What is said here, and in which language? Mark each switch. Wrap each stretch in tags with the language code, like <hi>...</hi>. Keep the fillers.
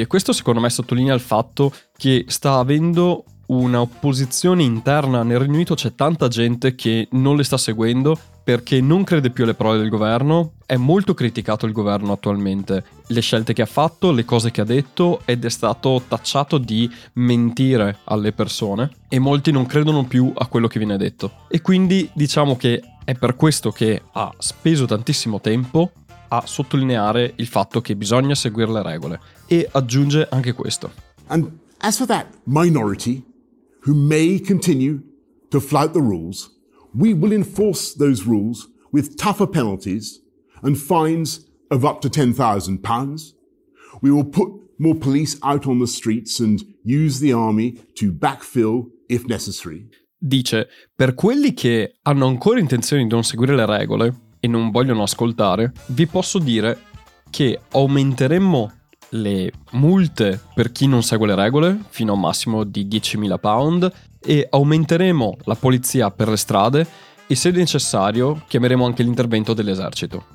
<it>E questo secondo me sottolinea il fatto che sta avendo un'opposizione interna nel Regno Unito c'è tanta gente che non le sta seguendo perché non crede più alle parole del governo, è molto criticato il governo attualmente, le scelte che ha fatto, le cose che ha detto ed è stato tacciato di mentire alle persone e molti non credono più a quello che viene detto. E quindi diciamo che è per questo che ha speso tantissimo tempo a sottolineare il fatto che bisogna seguire le regole e aggiunge anche questo.</it> <en>And as for that minority who may continue to flout the rules, we will enforce those rules with tougher penalties and fines of up to £10,000. We will put more police out on the streets and use the army to backfill if necessary.</en> <it>Dice, per quelli che hanno ancora intenzione di non seguire le regole e non vogliono ascoltare, vi posso dire che aumenteremmo le multe per chi non segue le regole fino a un massimo di 10.000 pound e aumenteremo la polizia per le strade e se necessario chiameremo anche l'intervento dell'esercito.</it>